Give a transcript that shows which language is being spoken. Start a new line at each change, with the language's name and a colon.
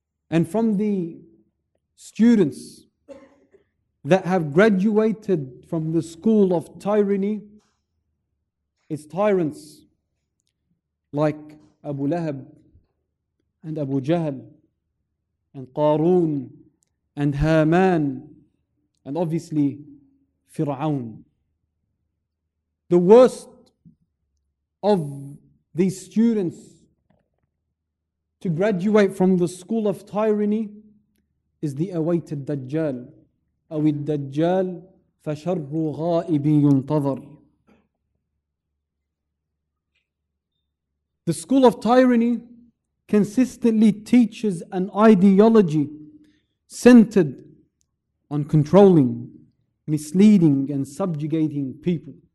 English: And from the students that have graduated from the school of tyranny, it's tyrants like Abu Lahab and Abu Jahl, and Qarun, and Haman, and obviously, Fir'aun. The worst of these students to graduate from the school of tyranny is the awaited Dajjal.
Arabic: أو الدجال فشر غائب ينتظر.
English: The school of tyranny consistently teaches an ideology centered on controlling, misleading, and subjugating people.